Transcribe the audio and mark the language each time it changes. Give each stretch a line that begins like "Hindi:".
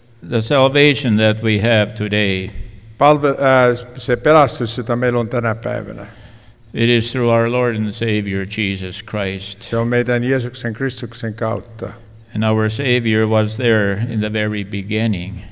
English: The salvation that we have today.
Finnish: Se pelastus, jota meillä on tänä päivänä.
English: It is through our Lord and Savior Jesus Christ.
Finnish: Se on meidän Jeesuksen Kristuksen kautta.
English: And our Savior was there in the very beginning.